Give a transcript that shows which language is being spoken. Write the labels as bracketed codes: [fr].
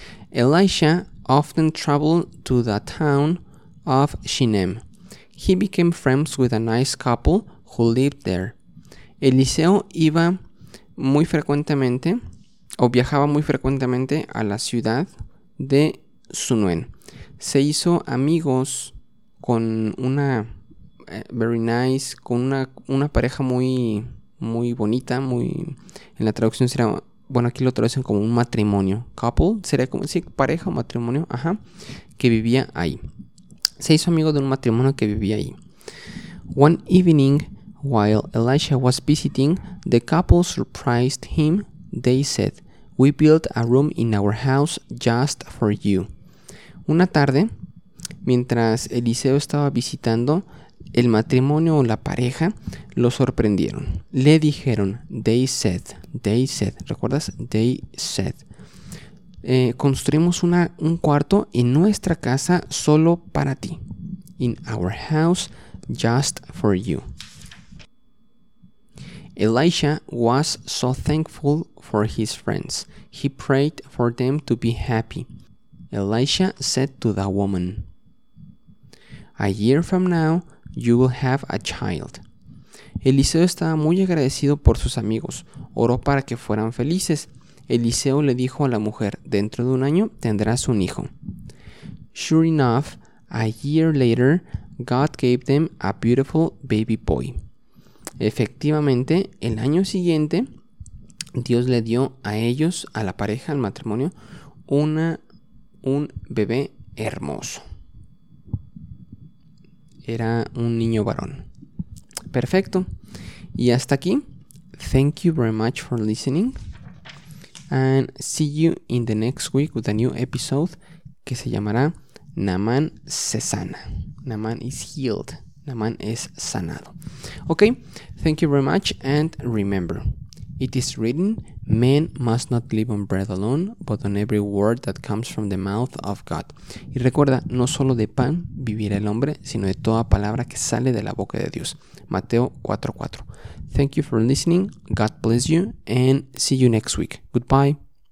[en] Elisha often traveled to the town of Shunem. He became friends with a nice couple who lived there. [es] Eliseo iba muy frecuentemente o viajaba muy frecuentemente a la ciudad de Shunem. Se hizo amigos con una [en] very nice, [es] con una pareja muy muy bonita, muy, en la traducción será, bueno, aquí lo traducen como un matrimonio, couple, sería como, sí, pareja o matrimonio, ajá, que vivía ahí. Se hizo amigo de un matrimonio que vivía ahí. [en] One evening, while Elisha was visiting, the couple surprised him. They said, "We built a room in our house just for you." [es] Una tarde, mientras Eliseo estaba visitando, el matrimonio o la pareja lo sorprendieron. Le dijeron, [en] they said, [es] ¿recuerdas? [en] They said, [es] construimos un cuarto en nuestra casa solo para ti. [en] In our house, just for you. Elisha was so thankful for his friends. He prayed for them to be happy. Elisha said to the woman, "A year from now, you will have a child." [es] Eliseo estaba muy agradecido por sus amigos. Oró para que fueran felices. Eliseo le dijo a la mujer, "Dentro de un año tendrás un hijo." [en] Sure enough, a year later, God gave them a beautiful baby boy. [es] Efectivamente, el año siguiente, Dios le dio a ellos, a la pareja, al matrimonio, un bebé hermoso. Era un niño varón. Perfecto. Y hasta aquí. [en] Thank you very much for listening. And see you in the next week with a new episode [es] que se llamará Naaman se sana. [en] Naaman is healed. [es] Naaman es sanado. [en] Okay. Thank you very much. And remember, it is written, men must not live on bread alone, but on every word that comes from the mouth of God. [es] Y recuerda, no solo de pan vivirá el hombre, sino de toda palabra que sale de la boca de Dios. [en] Mateo 4:4. Thank you for listening. God bless you. And see you next week. Goodbye.